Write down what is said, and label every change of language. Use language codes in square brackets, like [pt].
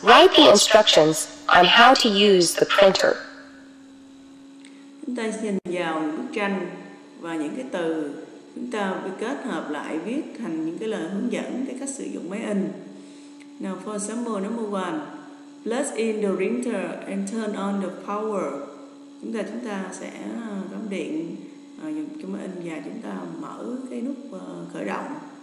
[en] Write the instructions on how to use the printer. [vi] Chúng ta nhìn vào bức tranh và những cái từ, chúng ta kết hợp lại viết thành những cái lời hướng dẫn cái cách sử dụng máy in. [en] Now for example number 1. Plug in the printer and turn on the power. [vi] Chúng ta sẽ cắm điện cho máy in và chúng ta mở cái nút khởi động.